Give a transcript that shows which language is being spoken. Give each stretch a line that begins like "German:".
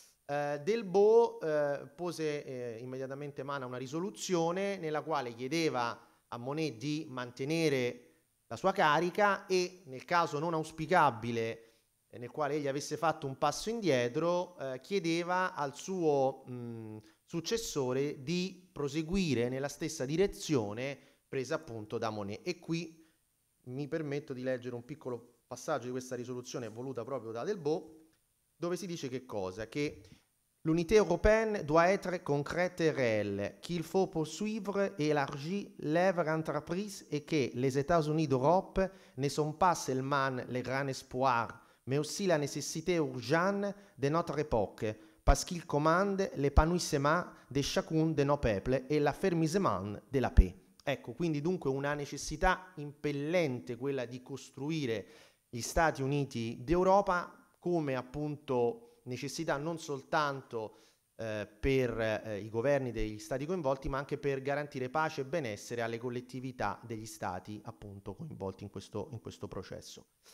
Italian: Delbo pose immediatamente mano a una risoluzione nella quale chiedeva a Monet di mantenere la sua carica e, nel caso non auspicabile, nel quale egli avesse fatto un passo indietro, chiedeva al suo successore di proseguire nella stessa direzione presa appunto da Monet. E qui mi permetto di leggere un piccolo passaggio di questa risoluzione voluta proprio da Delbo, dove si dice che cosa?
French: Che l'unité européenne doit être concrète et réelle, qu'il faut poursuivre et élargir l'œuvre entreprise et que les États-Unis d'Europe ne sont pas seulement le grand espoir, mais aussi la nécessité urgente de notre époque, parce qu'il commande l'épanouissement de chacun de nos peuples et l'affermissement de la paix.
Italian: Ecco, quindi dunque una necessità impellente quella di costruire gli Stati Uniti d'Europa come appunto necessità non soltanto per i governi degli Stati coinvolti, ma anche per garantire pace e benessere alle collettività degli Stati appunto coinvolti in questo processo.